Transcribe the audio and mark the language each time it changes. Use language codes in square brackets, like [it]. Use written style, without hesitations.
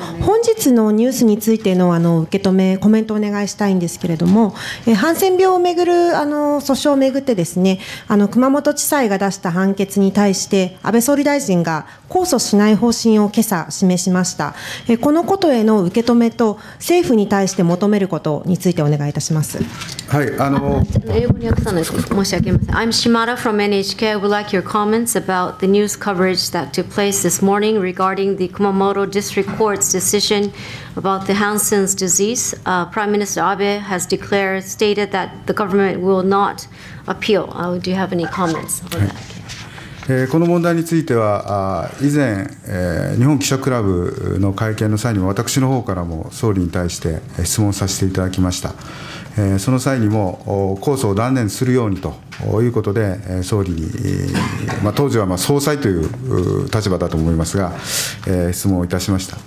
[ja] 本日のニュースについて の受け止め、コメントをお願いしたいんですけれども、ハンセン病をめぐる訴訟をめぐってですね、熊本地裁が出した判決に対して、安倍総理大臣が控訴しない方針を今朝示しました。このことへの受け止めと、政府に対して求めることについてお願いいたします。はい、英語に訳さないと申し訳ありません。 [en] I'm Shimada from NHK. I would like your comments about the news coverage that took place this morning regarding the Kumamoto District Court's decision about the Hansen's disease. Prime Minister Abe has stated that the government will not appeal. Do you have any comments on that? [ja] この問題については以前日本記者クラブの会見の際にも私の方からも総理に対して質問させていただきました。その際にも控訴を断念するようにということで総理に、まあ、当時は総裁という立場だと思いますが質問をいたしました。